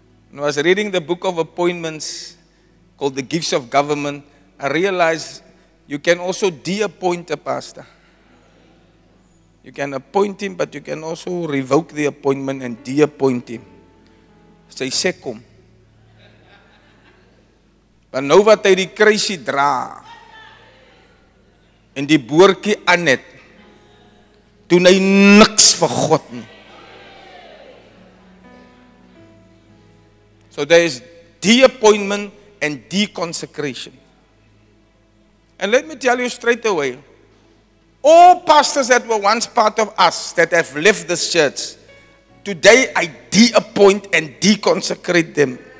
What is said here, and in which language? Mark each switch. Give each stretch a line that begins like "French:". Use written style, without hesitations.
English: When I was reading the book of appointments called The Gifts of Government, I realized you can also de-appoint a pastor. You can appoint him, but you can also revoke the appointment and de-appoint him. Say, sekom.
Afrikaans: Want nou wat hy die kruisie dra en die boortjie aan het, doen hy niks vir God nie.
English: So there is de-appointment and de-consecration. And let me tell you straight away, all pastors that were once part of us that have left this church, today I de-appoint and de-consecrate them.